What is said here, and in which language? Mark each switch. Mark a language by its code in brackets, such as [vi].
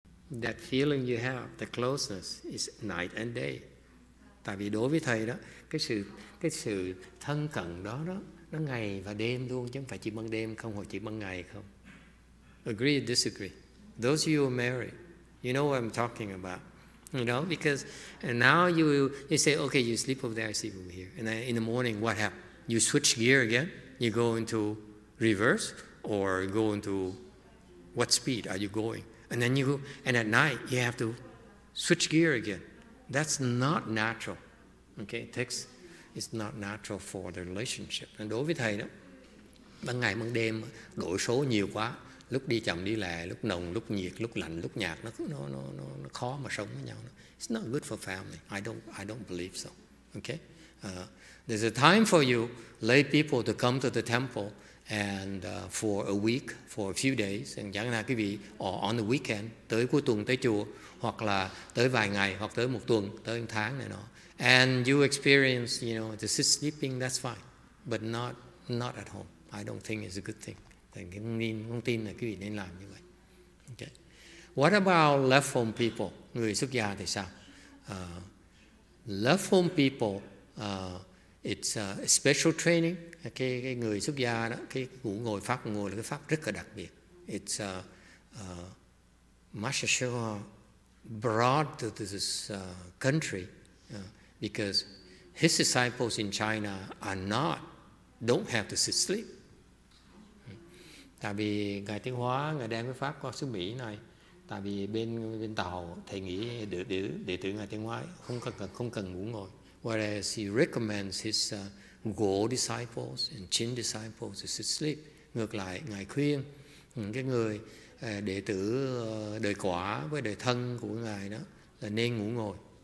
[en] That feeling you have, the closeness, is night and day. [vi] Tại vì đối với thầy đó, cái sự thân cận đó đó, nó ngày và đêm luôn, chứ không phải chỉ ban đêm không, hoặc chỉ ban ngày không. [en] Agree or disagree? Those of you who are married, you know what I'm talking about. You know, because and now you say, okay, you sleep over there, I sleep over here. And then in the morning, what happens? You switch gear again? You go into reverse? Or go into what speed are you going? And then you go, and at night, you have to switch gear again. That's not natural. Okay, it's not natural for the relationship. [vi] And đối với thầy đó, ban ngày ban đêm đổi số nhiều quá, lúc đi chậm đi lẹ, lúc nồng lúc nhiệt, lúc lạnh lúc nhạt, nó khó mà sống với nhau. [en] It's not good for family. I don't believe so. Okay, there's a time for you lay people to come to the temple and for a week, for a few days, and [vi] chẳng hạn quý vị [en] or on the weekend, [vi] tới cuối tuần tới chùa, hoặc là tới vài ngày, hoặc tới một tuần, tới một tháng này nọ. [en] And you experience, you know, to sit sleeping, that's fine. But not at home. I don't think it's a good thing. [vi] Thì không tin là quý vị nên làm như vậy. [en] Okay. What about left home people? [vi] Người xuất gia thì sao? [en] Left home people, it's a special training. [vi] Okay, cái người xuất gia đó, cái ngủ ngồi, pháp ngồi là cái pháp rất là đặc biệt. [en] It's Master Shiva brought to this country. Because his disciples in China don't have to sit sleep. [vi] Tại vì Ngài Tiến Hóa, Ngài đem cái pháp qua xứ Mỹ này. Tại vì bên Tàu, thầy nghĩ đệ tử Ngài Tiến Hóa không cần ngủ ngồi. [en] Whereas he recommends his Go disciples and Chin disciples to sit sleep. [vi] Ngược lại, Ngài khuyên cái người đệ tử đời quả với đời thân của Ngài đó là nên ngủ ngồi.